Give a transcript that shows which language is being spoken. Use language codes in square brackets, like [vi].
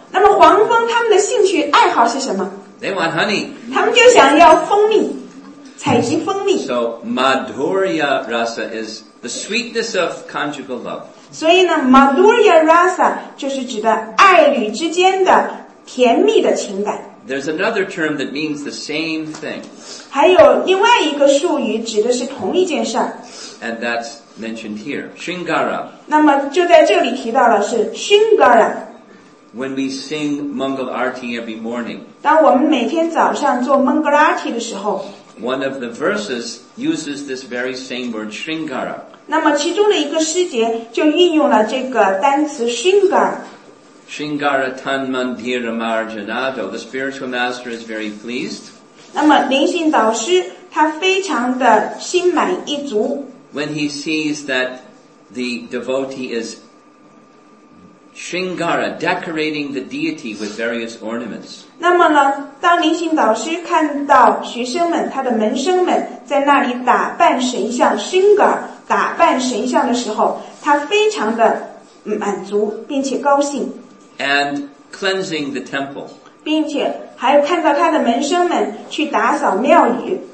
[zh] 那么黄蜂他们的兴趣爱好是什么？ [en] They want honey. [zh] 他们就想要蜂蜜。采集蜂蜜。 [en] So, Madhurya Rasa is the sweetness of conjugal love. [zh] 所以呢 ,Madhurya Rasa 就是指的爱侣之间的甜蜜的情感。 [en] There's another term that means the same thing. [zh] 还有另外一个术语指的是同一件事。 [en] And that's mentioned here, Shringara. [zh] 那么就在这里提到了是 Shringara。 [en] When we sing Mangal Arti every morning. [zh] 当我们每天早上做 Mangal Arti 的时候， [en] One of the verses uses this very same word, Shringara. [zh] 那么其中的一个诗节就运用了这个单词 Shringara. [sa] Shringara tan mandira marjanado. [en] The spiritual master is very pleased. [zh] 那么灵性导师他非常的心满意足。 [en] When he sees that the devotee is Shringara, decorating the deity with various ornaments. [zh] 那么呢，当灵性导师看到学生们，他的门生们在那里打扮神像 ，Shringara 打扮神像的时候，他非常的满足并且高兴。 [en] And cleansing the temple. [zh] 并且还有看到他的门生们去打扫庙宇。